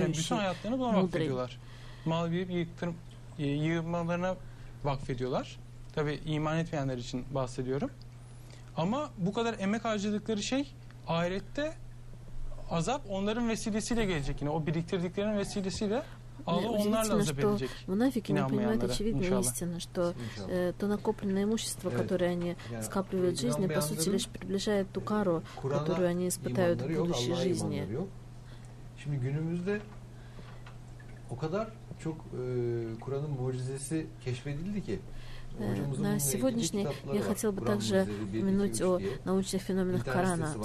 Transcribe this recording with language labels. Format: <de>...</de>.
<tr>Yani bütün hayatlarını buna vakfediyorlar. Mal verip yığmalarına vakfediyorlar. Tabi iman etmeyenler için bahsediyorum. Ama bu kadar emek harcadıkları şey ahirette azap onların vesilesiyle gelecek. Yine o biriktirdiklerinin vesilesiyle</tr> <ru>удивительно, что монафики не понимают очевидную истину, что то накопленное имущество, которое они скапливают в жизни, по сути, лишь приближает ту кару, которую они испытают в будущей жизни.</ru> <tr>Şimdi günümüzde o kadar çok Kur'an'ın mucizesi keşfedildi ki.</tr> <ru>На сегодняшний я хотел бы также упомянуть о научных феноменах Корана.</ru>